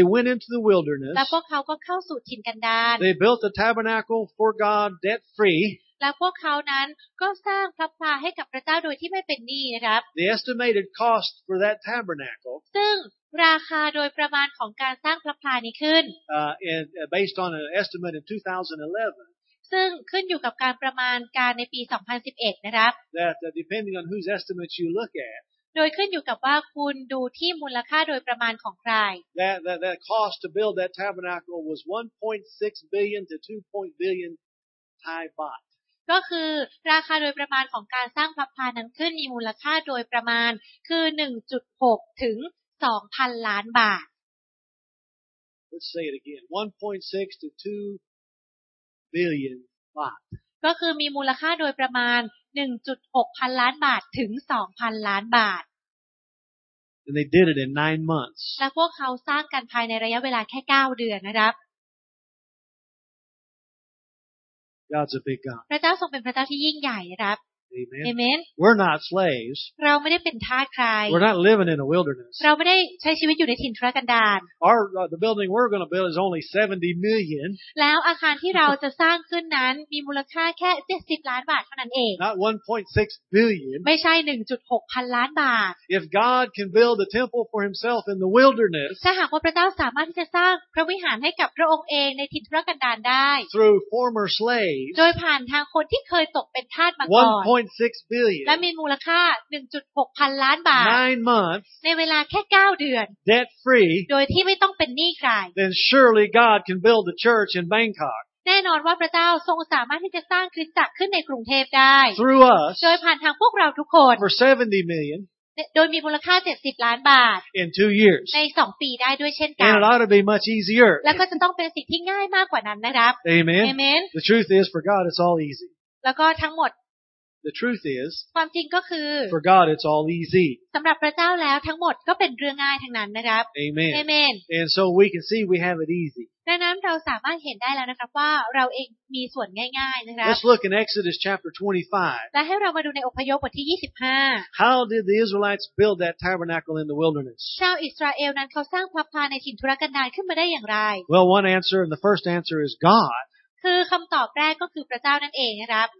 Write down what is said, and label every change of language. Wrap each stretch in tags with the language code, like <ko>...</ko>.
<en>went into the wilderness</en> <th>แล้วพวกเขาก็เข้าสู่ถิ่นกันดาร</th> <en>they built a tabernacle for God debt free</en> <th>แล้วพวกเขานั้นก็สร้างพลับพลาให้กับพระเจ้าโดยที่ไม่เป็นหนี้นะครับ</th> <en>the estimated cost for that tabernacle</en> <th>ซึ่งราคาโดยประมาณของการสร้างพลับพลานี้ขึ้น</th> <en>based on an estimate in 2011</en> <th>ซึ่งขึ้นอยู่กับการประมาณการในปี2011นะครับ</th> <en>that depending on whose estimate you look at</en> <th>โดยขึ้นอยู่กับว่าคุณดูที่มูลค่าโดยประมาณของใคร</th> <en>that cost to build that tabernacle was 1.6 billion to 2. billion Thai baht</en> <th>ก็คือราคาโดยประมาณของการสร้างพลับพลานั้นขึ้นมีมูลค่าโดยประมาณคือ 1.6 ถึง 2,000 ล้านบาท</th> <en>Let's say it again 1.6 to 2 billion baht</en> <th>ก็คือมีมูลค่าโดยประมาณ 1.6 พันล้านบาทถึง 2,000 ล้านบาท</th> <en>And they did it in 9 months.</en> <th>และพวกเขาสร้างกันภายในระยะเวลาแค่9เดือนนะครับ</th> <en>God's a big God.</en> <th>พระเจ้าทรงเป็นพระเจ้าที่ยิ่งใหญ่นะครับ</th> <en>Amen. We're not slaves.</en> <th>เราไม่ได้เป็นทาสใคร</th> <en>We're not living in a wilderness.</en> <th>เราไม่ได้ใช้ชีวิตอยู่ในถิ่นทุรกันดาร</th> <en>Our the building we're going to build is only 70 million.</en> <th>แล้วอาคารที่เราจะสร้างขึ้นนั้นมีมูลค่าแค่70ล้านบาทเท่านั้นเอง</th> <en>Not 1.6 billion.</en> <th>ไม่ใช่ 1.6 พันล้านบาท</th> <en>If God can build a temple for himself in the wilderness.</en> <th>ถ้าหากว่าพระเจ้าสามารถที่จะสร้างพระวิหารให้กับพระองค์เองในถิ่นทุรกันดารได้</th> <en>Through former slaves.</en> <th>โดยผ่านทางคนที่เคยตกเป็นทาสมาก่ อน</th> <en>1.6 billion</en> <th>และมีมูลค่า 1.6 พันล้านบาท</th> <en>9 months</en> <th>ในเวลาแค่9เดือน</th> <en>debt free</en> <th>โดยที่ไม่ต้องเป็นหนี้ใคร</th> <en>Then surely God can build the church in Bangkok</en> <th>แน่นอนว่าพระเจ้าทรงสามารถที่จะสร้างคริสตจักรขึ้นในกรุงเทพได้</th> <en>Through us</en> <th>โดยผ่านทางพวกเราทุกคน</th> <en>For 70 million</en> <th>โดยมีมูลค่า70ล้านบาท</th> <en>In 2 years</en> <th>ใน2ปีได้ด้วยเช่นกัน</th> <en>And it ought to be much easier</en> <th>แล้วก็จะต้องเป็นสิ่งที่ง่ายมากกว่านั้นนะครับ</th> <en>Amen. Amen The truth is for God it's all easy</en> <th>แล้วก็ทั้งหมด</th> <en>The truth is</en> <th>ความจริงก็คือ</th> <en>For God it's all easy</en> <th>สำหรับพระเจ้าแล้วทั้งหมดก็เป็นเรื่องง่ายทั้งนั้นนะครับ</th> <en>Amen. Amen And so we can see we have it easy</en> <th>ดังนั้นเราสามารถเห็นได้แล้วนะครับว่าเราเองมีส่วนง่ายๆนะครับ</th> <en>Let's look in Exodus chapter 25</en> <th>และให้เรามาดูในอพยพบทที่25</th> <en>How did the Israelites build that tabernacle in the wilderness</en> <th>ชาวอิสราเอลนั้นเขาสร้างพลับพลาในถิ่นทุรกันดารขึ้นมาได้อย่างไร</th> <en>Well one answer and the first answer is God</en> <th>คือคำตอบแรกก็คือพระเจ้านั่นเองนะครับ</th>